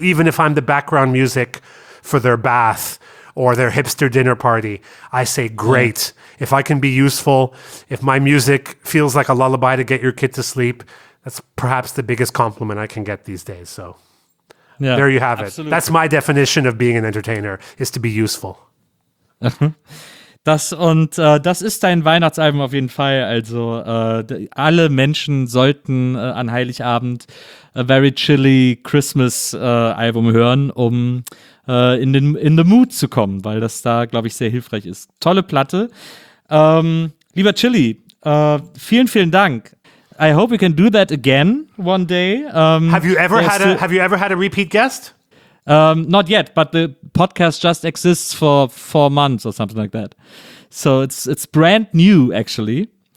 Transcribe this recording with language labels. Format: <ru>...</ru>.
<en>Even if I'm the background music for their bath or their hipster dinner party, I say, great. Mm. If I can be useful, if my music feels like a lullaby to get your kid to sleep, that's perhaps the biggest compliment I can get these days. So there you have it. That's my definition of being an entertainer, is to be useful.</en> <de>Das ist dein Weihnachtsalbum auf jeden Fall. Also alle Menschen sollten an Heiligabend A Very Chilly Christmas Album hören, um in den Mood zu kommen, weil das da, glaube ich, sehr hilfreich ist. Tolle Platte. Lieber Chili, vielen, vielen Dank.</de> <en>I hope we can do that again one day. Have you ever had a repeat guest? Not yet, but the podcast just exists for 4 months or something like that. So it's brand new, actually.</en>